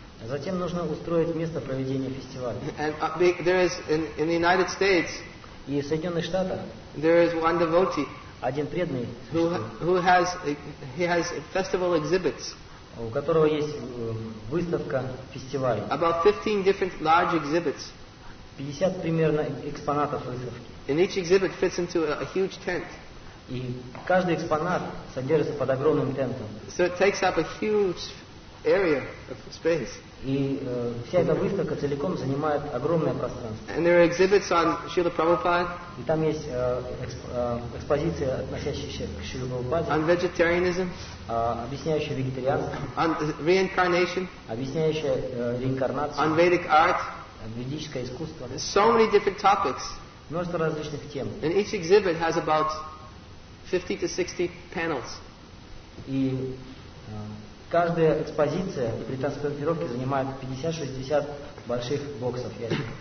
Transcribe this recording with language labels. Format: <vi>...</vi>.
<ru>Затем нужно устроить место проведения фестиваля.</ru> <en>And there is in the United States.</en> <ru>И в Соединенных Штатах.</ru> <en>There is one devotee.</en> <ru>Один преданный.</ru> <en>Who has festival exhibits.</en> <ru>У которого есть выставка фестиваля.</ru> <en>About 15 different large exhibits.</en> <ru>50 примерно экспонатов выставки.</ru> <en>And each exhibit fits into a huge tent.</en> <ru>И каждый экспонат содержится под огромным тентом.</ru> <en>So it takes up a huge area of space.</en> <ru>И вся эта выставка целиком занимает огромное пространство.</ru> <en>And there are exhibits on Srila Prabhupada.</en> <ru>И там есть экспозиция, относящаяся к Шриле Прабхупаде.</ru> <en>On vegetarianism.</en> <ru>Объясняющая вегетарианство.</ru> <en>On reincarnation.</en> <ru>Объясняющая реинкарнацию.</ru> <en>On Vedic art.</en> <ru>Ведическое искусство.</ru> <en>So many different topics.</en> <ru>Множество различных тем.</ru> <en>And each exhibit has about 50 to 60 panels.</en> <ru>И каждая экспозиция и при транспортировке занимает 50-60 больших боксов ящиков.</ru>